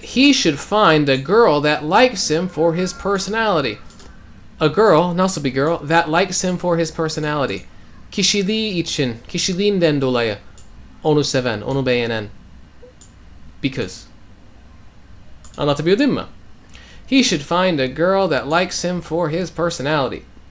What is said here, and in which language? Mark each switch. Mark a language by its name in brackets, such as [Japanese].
[English] He should find a girl that likes him for his personality. A girl, [Turkish] nasıl bir [English] girl, that likes him for his personality. [Turkish] Kişiliği için, kişiliğinden dolayı onu seven, onu beğenen. Because. Anlatabildim mi? [English] He should find a girl that likes him for his personality.